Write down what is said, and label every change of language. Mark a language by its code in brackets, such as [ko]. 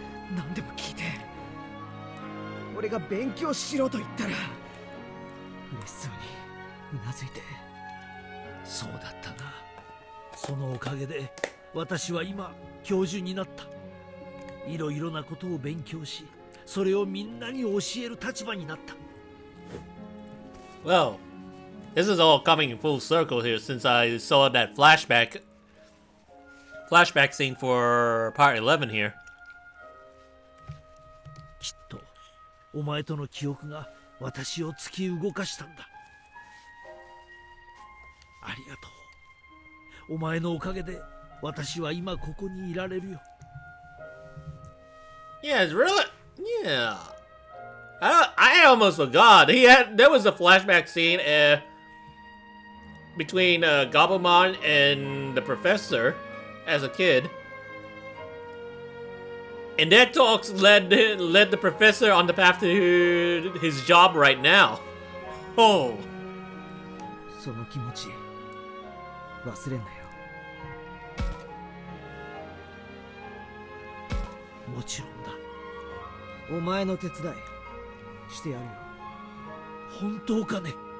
[ja] 俺に何でも聞いて。俺が勉強しろと言ったら嬉しそうにうなずいて。そうだったな。そのおかげで私は今教授になった。いろいろなことを勉強し、それをみんなに教える立場になった。 [en] Well, this is all coming in full circle here since I saw that flashback scene for part 11 here. [ja] きっとお前との記憶が私を突き動かしたんだ。ありがとう。お前のおかげで私は今ここにいられるよ。 [en] Yeah, it's really... Yeah. I almost forgot. There was a flashback scene between Gabumon and the professor as a kid. And that talks led the professor on the path to his job right now. Oh. [ja] その気持ち忘れんなよ。もちろんだ。お前の手伝いしてやるよ。本当かね。